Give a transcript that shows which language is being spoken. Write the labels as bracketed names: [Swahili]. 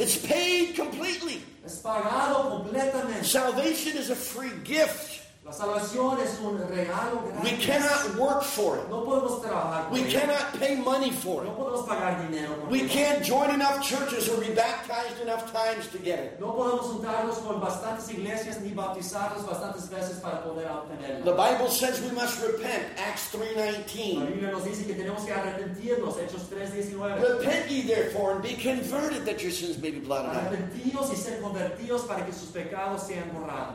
[English] It's paid completely. [Spanish] Es pagado completamente. [English] Salvation is a free gift. [Spanish] La salvación es un regalo gratis. [English] We cannot work for it. [Spanish] No podemos trabajar por [English] we [Spanish] ello. [English] Cannot pay money for it. [Spanish] No podemos pagar dinero por [English] we [Spanish] ello. [English] Can't join enough churches or be baptized enough times to get it. [Spanish] No podemos juntarnos con bastantes iglesias ni bautizarnos bastantes veces para poder obtenerlo. [English] The Bible says we must repent, Acts 3:19. [Spanish] La Biblia nos dice que tenemos que arrepentirnos, Hechos 3:19. [English] Repent ye therefore and be converted that your sins may be blotted out. [Spanish] Arrepentidos y ser convertidos para que sus pecados sean borrados.